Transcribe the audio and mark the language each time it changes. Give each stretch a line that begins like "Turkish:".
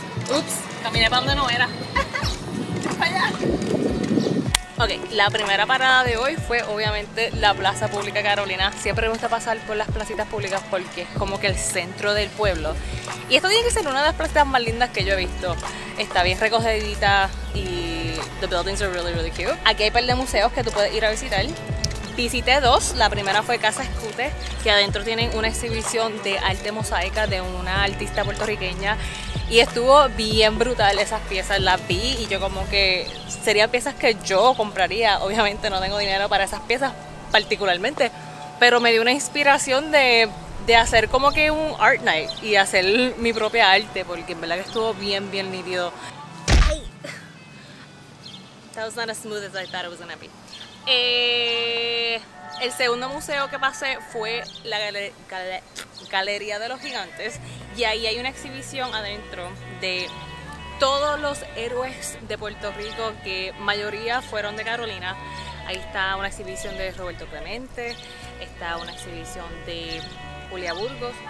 Spanish: Ups, caminé para donde no era. Allá. Ok, la primera parada de hoy fue obviamente la Plaza Pública Carolina. Siempre me gusta pasar por las placitas públicas porque es como que el centro del pueblo. Y esto tiene que ser una de las placitas más lindas que yo he visto. Está bien recogedita y
English: the buildings are really, really cute.
Spanish: Aquí hay un par de museos que tú puedes ir a visitar. Visité dos. La primera fue Casa Escute, que adentro tienen una exhibición de arte mosaica de una artista puertorriqueña. Y estuvo bien brutal esas piezas. Las vi y yo como que serían piezas que yo compraría. Obviamente no tengo dinero para esas piezas particularmente, pero me dio una inspiración de hacer como que un
English: art night
Spanish: y hacer mi propia arte, porque en verdad que estuvo bien, bien nítido. Ay.
English: That was not as smooth as I thought it was gonna be.
Spanish: El segundo museo que pasé fue la Galería de los Gigantes. Y ahí hay una exhibición adentro de todos los héroes de Puerto Rico, que mayoría fueron de Carolina. Ahí está una exhibición de Roberto Clemente, está una exhibición de Julia Burgos.